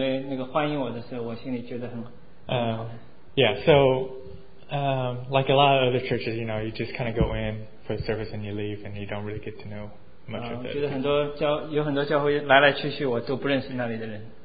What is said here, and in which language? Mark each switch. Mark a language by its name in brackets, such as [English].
[Chinese] 我觉得就是在教会里弟兄姊妹那个欢迎我的时候，我心里觉得很。 [English] Yeah, so like a lot of other churches, you know, you just kind of go in for the service and you leave, and you don't really get to know much of it. [Chinese] 我觉得很多教会来来去去，我都不认识那里的人。